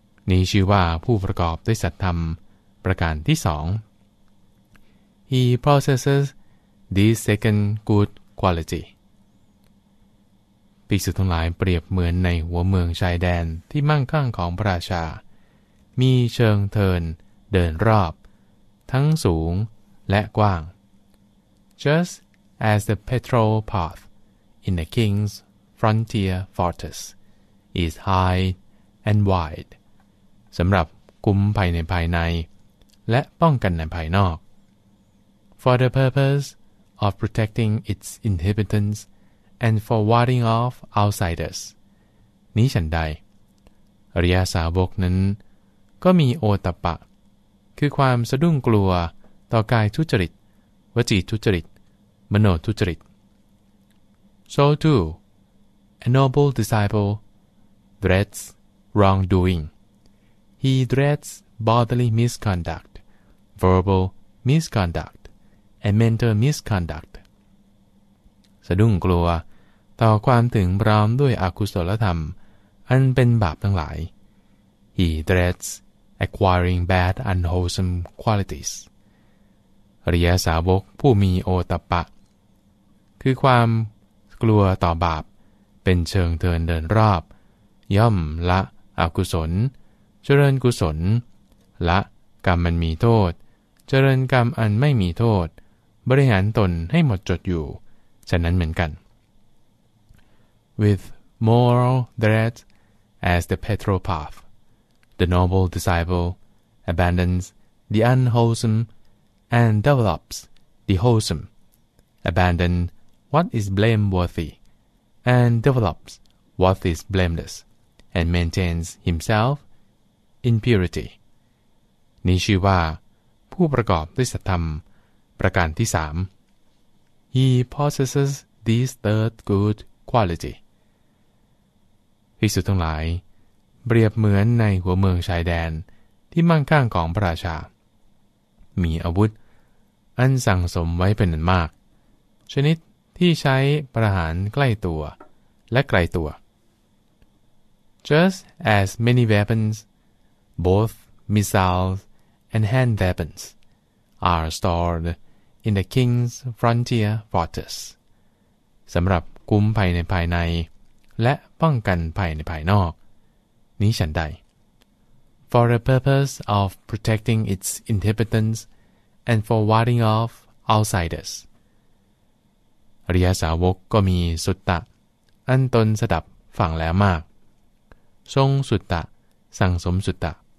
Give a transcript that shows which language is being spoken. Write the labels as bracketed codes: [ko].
[th] นี้ชื่อว่าผู้ประกอบด้วยสัทธรรมประการที่สอง [en] He possesses this second good quality. [th] ภิกษุทั้งหลายเปรียบเหมือนในหัวเมืองชายแดนที่มั่งคั่งของพระราชามีเชิงเทินเดินรอบทั้งสูงและกว้าง [en] Just as the petrol path in the king's frontier fortress is high and wide [th] สำหรับคุ้มภัยในภายในและป้องกันในภายนอก [en] For the purpose of protecting its inhabitants and for warding off outsiders [th] นี้ฉันใดอริยสาวกนั้นก็มีโอตัปปะคือความสะดุ้งกลัวต่อกายทุจริตวจีทุจริตมโนทุจริต [en] So too a noble disciple dreads wrongdoingHe dreads bodily misconduct, verbal misconduct, and mental misconduct. [th] สะดุ้งกลัวต่อความถึงพร้อมด้วยอกุศลธรรมอันเป็นบาปทั้งหลาย [en] He dreads acquiring bad unwholesome qualities. [th] อริยสาวกผู้มีโอตัปปะคือความกลัวต่อบาปเป็นเชิงเทินเดินรอบย่อมละอกุศลเจริญกุศลละกรรมมันมีโทษเจริญกรรมอันไม่มีโทษบริหารตนให้หมดจดอยู่ฉะนั้นเหมือนกัน [en] With moral dread as the petrol path the noble disciple abandons the unwholesome and develops the wholesome abandon what is blameworthy and develops what is blameless and maintains himselfimpurity [th] นี้ชื่อว่าผู้ประกอบด้วยสัทธรรมประการที่3 [en] He possesses this third good quality [th] ภิกษุทั้งหลายเปรียบเหมือนในหัวเมืองชายแดนที่มั่งคั่งของพระราชามีอาวุธอันสั่งสมไว้เป็นอันมากชนิดที่ใช้ประหารใกล้ตัวและไกลตัว [en] Just as many weaponsBoth missiles and hand weapons are stored in the king's frontier fortress. [th] สำหรับคุ้มภัยในภายในและป้องกันภัยในภายนอกนี้ฉันใด [en] for the purpose of protecting its inhabitants and for warding off outsiders. [th] อริยสาวกก็มีสุตตะอันตนสดับฟังแล้วมากทรงสุตตะสั่งสมสุตตะ